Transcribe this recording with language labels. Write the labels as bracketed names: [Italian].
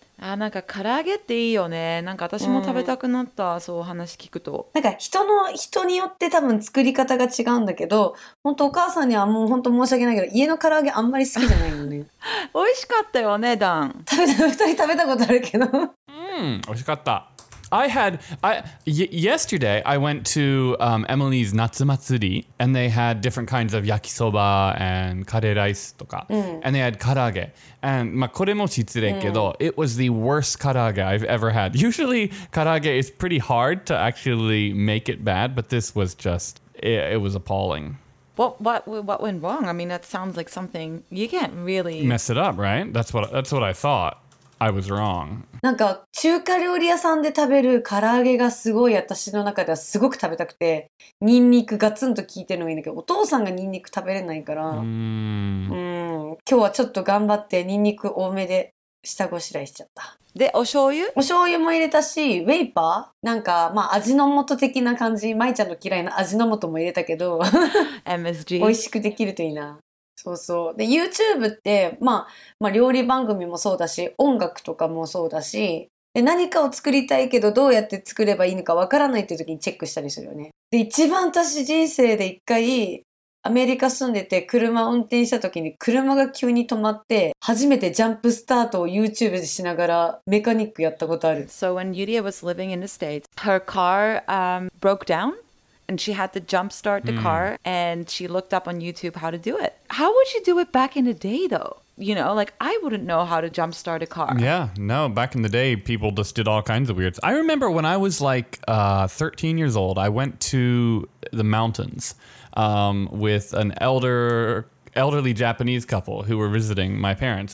[Japanese] あなんか唐揚げっていいよねなんか私も食べたくなった、うん、そうお話聞くとなんか人によって多分作り方が違うんだけど本当お母さんにはもう本当申し訳ないけど家の唐揚げあんまり好きじゃないのね美味しかったよねダン 2人食べたことあるけどうん美味しかった [English] I had yesterday I went to Emily's Natsumatsuri and they had different kinds of yakisoba and kare rice とか、うん、 and they had karaage and [Japanese] まあこれも失礼けど、うん、 [English] it was the worst karaage I've ever had. Usually karaage is pretty hard to actually make it bad, but this was just it was appalling. What went wrong? I mean that sounds like something you can't really mess it up, right? That's what I thought. I was wrong. [Japanese] なんか中華料理屋さんで食べる唐揚げがすごい私の中ではすごく食べたくてニンニクガツンと効いてるのがいいんだけどお父さんがニンニク食べれないから、今日はちょっと頑張ってニンニク多めで下ごしらえしちゃった。で、お醤油？お醤油も入れたし、ウェイパー？なんかまあ味の素的な感じ、まいちゃんの嫌いな味の素も入れたけど、 [English] MSG [Japanese] 美味しくできるといいな。そうそうで YouTube って、まあ、料理番組もそうだし音楽とかもそうだしで何かを作りたいけどどうやって作ればいいのかわからないっていう時にチェックしたりするよねで一番私人生で一回アメリカ住んでて車運転した時に車が急に止まって初めてジャンプスタートを YouTube でしながらメカニックやったことある [English] So when Yuria was living in the States, her car broke downAnd she had to jump start the car and she looked up on YouTube how to do it. How would you do it back in the day though? You know, like I wouldn't know how to jump start a car. Yeah, no, back in the day people just did all kinds of weird. I remember when I was like 13 years old, I went to the mountains with an elderly Japanese couple who were visiting my parents.